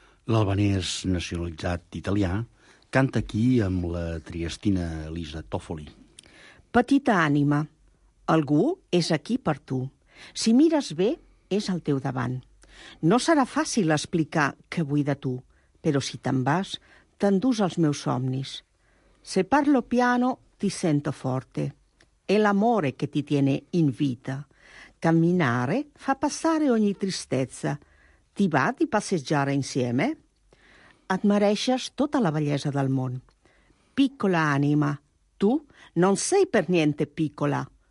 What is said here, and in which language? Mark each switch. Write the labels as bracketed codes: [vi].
[ca] L'albanès nacionalitzat italià canta aquí amb la triestina Elisa Toffoli. Petita ànima, algú és aquí per tu. Si mires bé, és al teu davant. No serà fàcil explicar què vull de tu, però si te'n vas, t'endús els meus somnis. [it] Se parlo piano, ti sento forte. È l'amore che ti tiene in vita. Camminare fa passare ogni tristezza. Ti va di passeggiare insieme? [ca] Et mereixes tota la bellesa del món. [it] Piccola ànima, tu non sei per niente piccola.